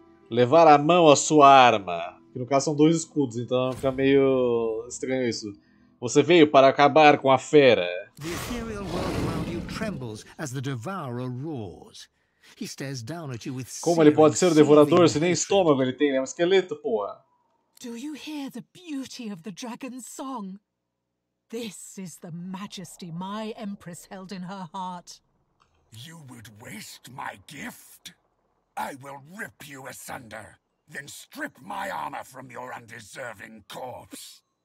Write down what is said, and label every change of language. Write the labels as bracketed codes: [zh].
[pt] Levar a mão a sua arma. Que no caso são dois escudos, então fica meio estranho isso. Você veio para acabar com a fera. [en] The ethereal world around you trembles as the devourer roars. He stares down at you with serious. [pt] Como ele pode ser o devorador se nem estômago ele tem, né? Um esqueleto, porra. [en] Do you hear the beauty of the dragon's song? This is the majesty my empress held in her heart. You would waste my gift? I will rip you asunder, then strip my armor from your undeserving corpse.